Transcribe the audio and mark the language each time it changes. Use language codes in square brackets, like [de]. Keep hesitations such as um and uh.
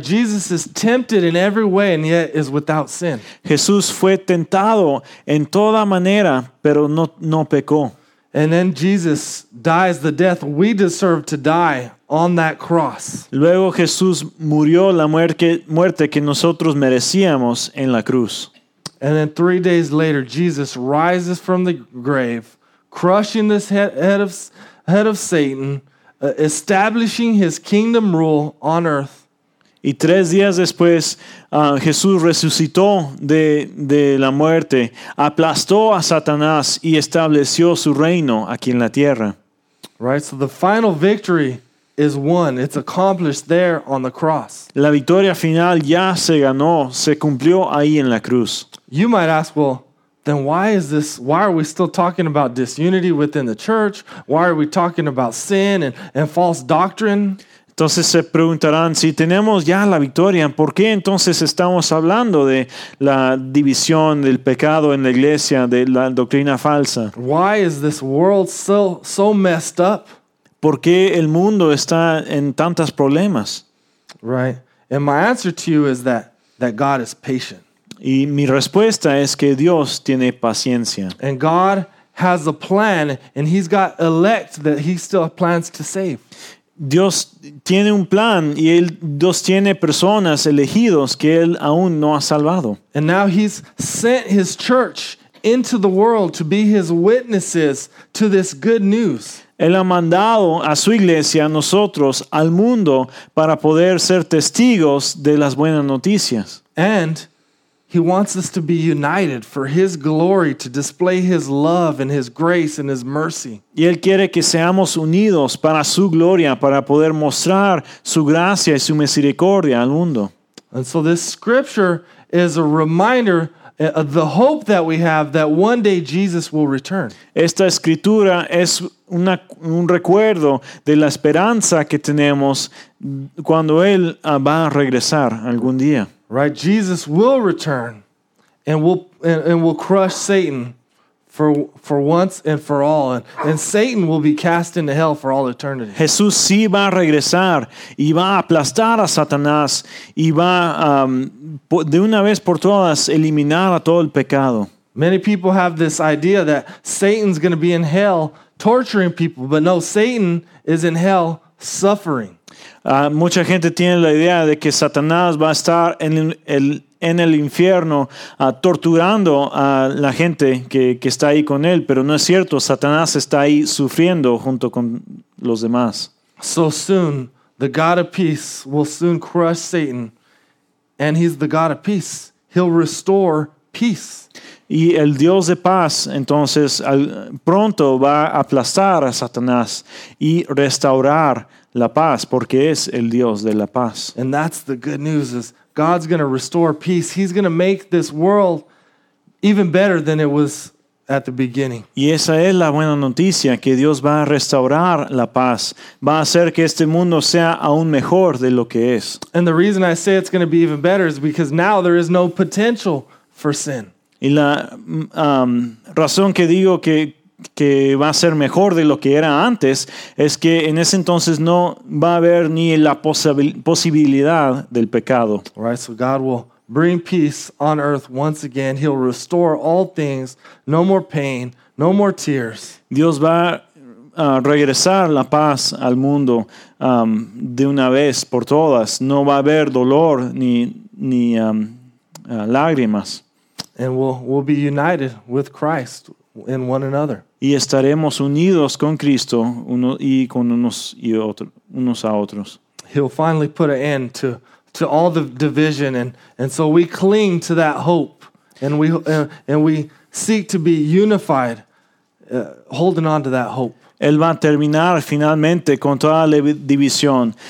[es] Jesús fue tentado en toda manera, pero no, no pecó. [en] And then Jesus dies the death we deserve to die on that cross. [es] Luego Jesús murió la muerte, muerte que nosotros merecíamos en la cruz. [en] And then 3 days later Jesus rises from the grave, crushing the head, head of head of Satan, uh, establishing his kingdom rule on earth [es] Y tres días después uh, Jesús resucitó de, de, la muerte, aplastó a Satanás y estableció su reino aquí en la tierra. [en] Right, so the final victory is won. It's accomplished there on the cross. [es] La victoria final ya se ganó, se cumplió ahí en la cruz. [en] You might ask, well, then why is this? Why are we still talking about disunity within the church? Why are we talking about sin and, and false doctrine? [es] Entonces se preguntarán, si tenemos ya la victoria, ¿por qué entonces estamos hablando de la división del pecado en la iglesia, de la doctrina falsa? [en] Why is this world so, so messed up? [es] ¿Por qué el mundo está en tantos problemas? [en] Right. [es] Y mi respuesta es que Dios tiene paciencia. [en] And God has a plan and he's got elect that he still plans to save. [es] Dios tiene un plan y él, Dios tiene personas elegidos que él aún no ha salvado. Él ha mandado a su iglesia, a nosotros, al mundo para poder ser testigos de las buenas noticias. [en] And grace mercy. [es] Y él quiere que seamos unidos para su gloria, para poder mostrar su gracia y su misericordia al mundo. Esta escritura es una, un recuerdo de la esperanza que tenemos cuando él va a regresar algún día. [en] right? Jesus will return and will, and, and, will crush Satan for, for once and for all. And, and Satan will be cast into hell for all eternity. [es] Jesús sí va a regresar y va a aplastar a Satanás y va um, de una vez por todas eliminar a todo el pecado. [en] Many people have this idea that Satan's going to be in hell torturing people, but no, Satan is in hell suffering. [es] Uh, mucha gente tiene la idea de que Satanás va a estar en el, en el infierno uh, torturando a la gente que, que, está ahí con él, pero no es cierto, Satanás está ahí sufriendo junto con los demás. [en] So soon, the God of peace will soon crush Satan, and he's the God of peace. He'll restore peace. [es] Y el Dios de paz entonces al, pronto va a aplastar a Satanás y restaurar la paz porque es el Dios de la paz. [en] And that's the good news is God's going to restore peace. He's going to make this world even better than it was at the beginning. [es] Y esa es la buena noticia que Dios va a restaurar la paz, va a hacer que este mundo sea aún mejor de lo que es. [en] And the reason I say it's going to be even better is because now there is no potential for sin. [es] Y la um, razón que digo que que va a ser mejor de lo que era antes es que en ese entonces no va a haber ni la posibilidad del pecado. [en] All right, so God will bring peace on earth once again. He'll restore all things. No more pain, no more tears. [es] Dios va a regresar la paz al mundo um, de una vez por todas. No va a haber dolor ni, ni um, lágrimas. [en] And we'll, we'll be united with Christ in one another. [es] y estaremos [en] He'll finally put an end to, to all the division, and, and so we cling to that hope, and we, uh, and we seek to be unified, uh, holding on to that hope. [es] Él va a terminar finalmente con toda la división.